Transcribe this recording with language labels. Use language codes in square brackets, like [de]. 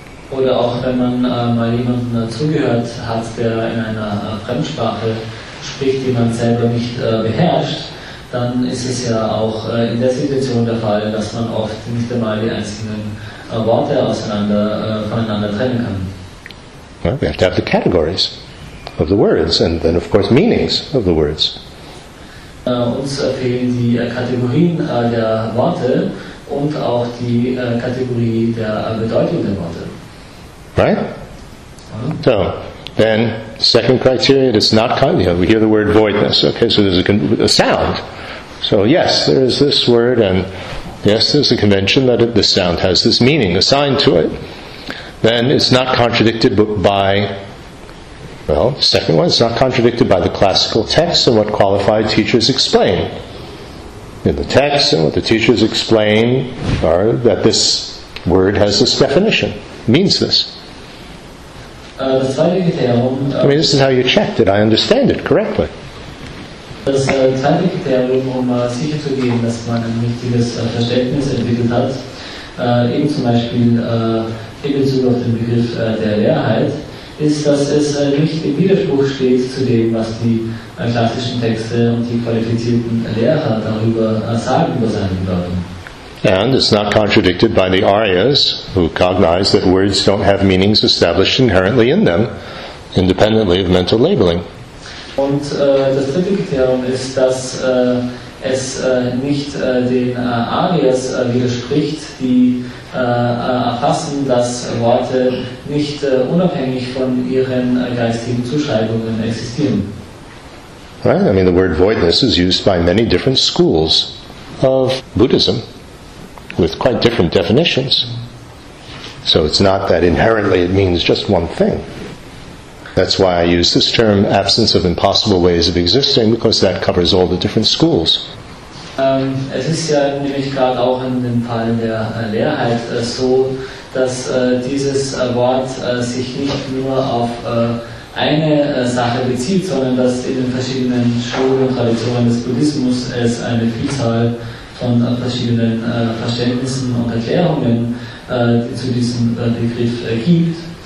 [de] Oder auch wenn man mal jemandem zugehört hat, der in einer Fremdsprache spricht, die man selber nicht beherrscht, dann ist es ja auch in der Situation der Fall, dass man oft nicht einmal die einzelnen Worte voneinander trennen kann. [en] Well, we have to have the categories of the words, and then, of course, meanings of the words. [de] Uns fehlen die Kategorien der Worte und auch die Kategorie der Bedeutung der Worte. [en] Right? So, then, second criteria, it's not, we hear the word voidness, okay, so there's a sound. So, yes, there is this word, and yes, there's a convention that the sound has this meaning assigned to it. Then it's not contradicted by, well, the second one, it's not contradicted by the classical text and what qualified teachers explain. In the text, and what the teachers explain are that this word has this definition, means this. I mean, this is how you check, did I understand it correctly? [de] Das zweite Kriterium, um sicherzugehen, dass man ein richtiges Verständnis entwickelt hat, eben zum Beispiel in Bezug auf den Begriff der Leerheit, ist, dass es nicht im Widerspruch steht zu dem, was die klassischen Texte und die qualifizierten Lehrer darüber sagen, über seine Bedeutung. [en] And it's not contradicted by the Aryas, who cognize that words don't have meanings established inherently in them, independently of mental labeling. [de] Und das dritte Kriterium ist, dass es nicht den Aryas widerspricht, die erfassen, dass Worte nicht unabhängig von ihren geistigen Zuschreibungen existieren. [en] Right? I mean, the word voidness is used by many different schools of Buddhism with quite different definitions. So it's not that inherently it means just one thing. That's why I use this term, absence of impossible ways of existing, because that covers all the different schools. [de] Es ist ja nämlich gerade auch in dem Fall der Leerheit so, dass dieses Wort sich nicht nur auf eine Sache bezieht, sondern dass in den verschiedenen Schulen und Traditionen des Buddhismus es eine Vielzahl von verschiedenen Verständnissen und Erklärungen zu diesem Begriff gibt.